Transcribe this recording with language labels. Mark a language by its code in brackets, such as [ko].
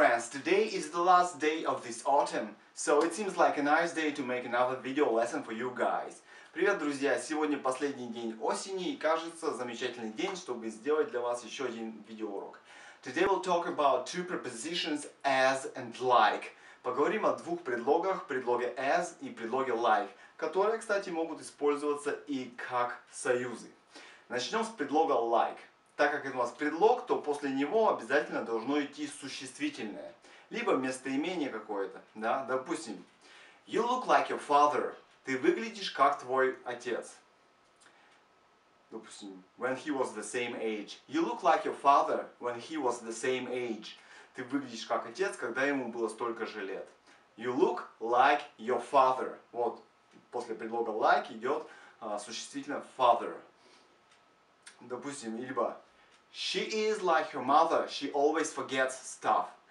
[en] Today is the last day of this autumn, so it seems like a nice day to make another video lesson for you guys. [ru] Привет, друзья! Сегодня последний день осени, и кажется, замечательный день, чтобы сделать для вас еще один видеоурок. [en] Today we'll talk about two prepositions as and like. [ru] Поговорим о двух предлогах, предлоге as и предлоге like, которые, кстати, могут использоваться и как союзы. Начнем с предлога like. Так как это у нас предлог, то после него обязательно должно идти существительное. Либо местоимение какое-то, да, допустим. [en] You look like your father. [ru] Ты выглядишь как твой отец. Допустим. [en] When he was the same age. You look like your father when he was the same age. [ru] Ты выглядишь как отец, когда ему было столько же лет. [en] You look like your father. [ru] Вот, после предлога like идет существительное father. Допустим, либо... [en] She is like her mother, she always forgets stuff.